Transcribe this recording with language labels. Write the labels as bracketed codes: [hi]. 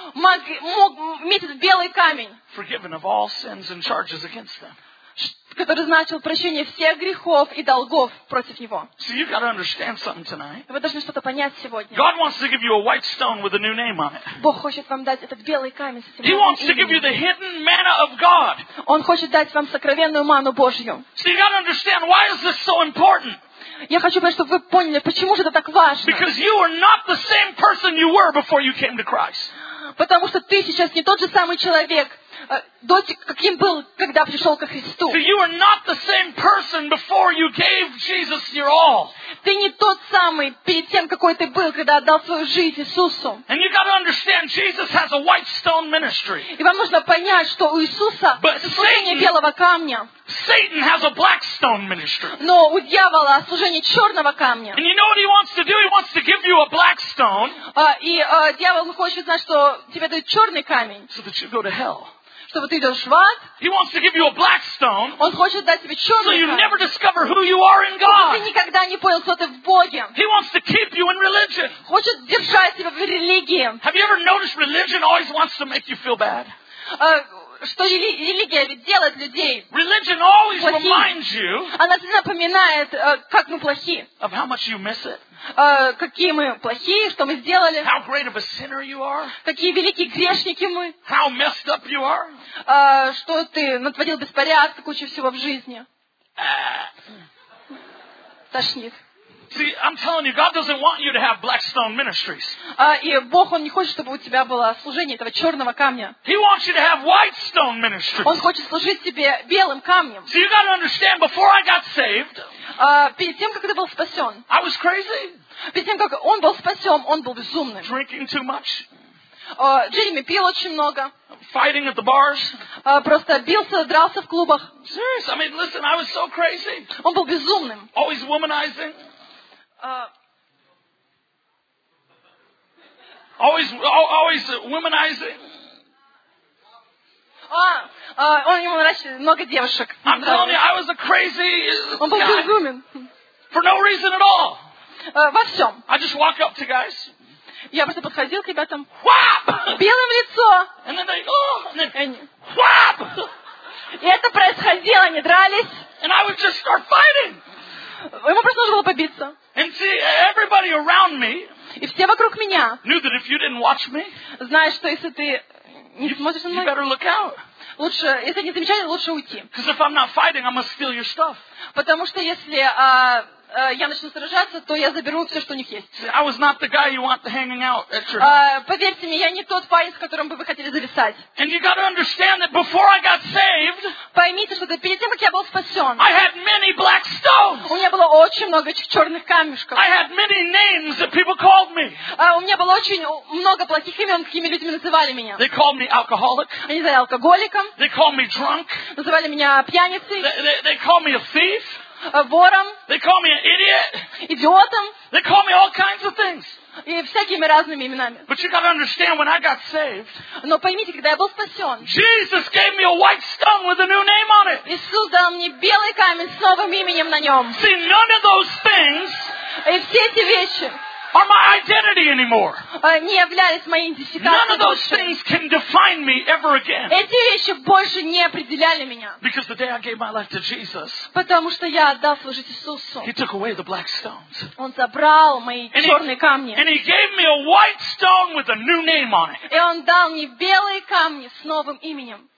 [ru] Мог иметь этот белый камень, [en] forgiven of all sins and charges against them. [ru] Который значил прощение всех грехов и долгов против него. [en] So you've got to understand something tonight. [ru] Вы должны что-то понять сегодня. [en] God wants to give you a white stone with a new name on it. [ru] Бог хочет вам дать этот белый камень с этим именем. [en] He wants to give you the hidden manna of God. [ru] Он хочет дать вам сокровенную ману Божью. [en] So you've got to understand why is this so important. [ru] Я хочу, чтобы вы поняли, почему же это так важно. [en] Because you are not the same person you were before you came to Christ. [ru] Потому что ты сейчас не тот же самый человек, каким был, когда пришел ко Христу. [en] So you are not the same person before you gave Jesus your all. [ru] Ты не тот самый перед тем, какой ты был, когда отдал свою жизнь Иисусу. [en] And you got to understand, Jesus has a white stone ministry. [ru] И вам нужно понять, что у Иисуса служение белого камня. [en] Satan has a black stone ministry. [ru] Но у дьявола служение черного камня. [en] And you know what he wants to do? He wants to give you a black stone. [ru] Дьявол хочет знать, что тебе дают черный камень. [en] So that you go to hell. [ru] Чтобы ты идешь в ад. [en] He wants to give you a black stone. [ru] Он хочет дать тебе черный камень. [en] So you never discover who you are in God. [ru] Чтобы ты никогда не понял, кто ты в Боге. [en] He wants to keep you in religion. [ru] Хочет держать тебя в религии. [en] Have you ever noticed religion always wants to make you feel bad? [ru] Что религия делает людей? [en] Religion always reminds you. [ru] Она всегда напоминает, как мы плохи. [en] Of how much you miss it. [ru] Какие мы плохие, что мы сделали. [en] How great of a sinner you are. [ru] Какие великие грешники мы. [en] How messed up you are. [ru] Что ты натворил беспорядка, куча всего в жизни. Тошнит. [en] See, I'm telling you, God doesn't want you to have black stone ministries. [ru] И Бог, он не хочет, чтобы у тебя было служение этого черного камня. [en] He wants you to have white stone ministries. [ru] Он хочет служить тебе белым камнем. [en] So you got to understand, before I got saved, [ru] перед тем, как ты был спасен, [en] I was crazy. [ru] Перед тем, как он был спасен, он был безумным. [en] Drinking too much. [ru] Джереми пил очень много. [en] Fighting at the bars. [ru] Просто бился, дрался в клубах. [en] Serious? I mean, listen, I was so crazy. [ru] Он был безумным. [en] Always womanizing. Always womanizing. [ru] Он ему нравится много девушек. [en] I'm telling you, I was a crazy guy. [ru] Он был безумен. [en] For no reason at all. [ru] Во всем. [en] I just walk up to guys. [ru] Я просто подходил к ребятам. [en] Whap! [ru] Белым лицо. [en] And then they, whap! [ru] И это происходило, они дрались. [en] And I would just start fighting. [ru] Ему просто нужно было побиться. [en] And see, everybody around me [ru] и все вокруг меня [en] knew that if you didn't watch me, [ru] знаешь, что если ты не смотришь на меня, [en] you better look out. [ru] Лучше, если не замечали, лучше уйти. [en] Because if I'm not fighting, I'm gonna steal your stuff. [ru] Потому что если я начну сражаться, то я заберу все, что у них есть. [en] See, I was not the guy you want hanging out at your. [ru] Поверьте мне, я не тот парень, с которым бы вы хотели зависать. [en] And you got to understand that before I got saved, [ru] поймите, что перед тем, как я был спасен, [en] I had many black stones. [ru] У меня было очень много этих черных камешков. [en] I had many names that people called me. [ru] У меня было очень много плохих имен, какими людьми называли меня. [en] They called me alcoholic. [ru] Они называли алкоголиком. [en] They called me drunk. [ru] Называли меня пьяницей. [en] They called me a thief. [ru] Вором. [en] They call me an idiot. [ru] Идиотом. [en] They call me all kinds of things. [ru] И всякими разными именами. [en] But you got to understand, when I got saved, [ru] но поймите, когда я был спасен, [en] Jesus gave me a white stone with a new name on it. [ru] Иисус дал мне белый камень с новым именем на нем. [en] See, none of those things [ru] и все эти вещи [en] are my identity anymore. [ru] Не являлись моей идентификацией. [en] None of those things can define me ever again. [ru] Эти вещи больше не определяли меня. [en] Because the day I gave my life to Jesus, [ru] потому что я отдал свою жизнь Иисусу, [en] he took away the black stones. [ru] Он забрал мои черные камни. [en] And he gave me a white stone with a new name on it. [ru] И он дал мне белые камни с новым именем.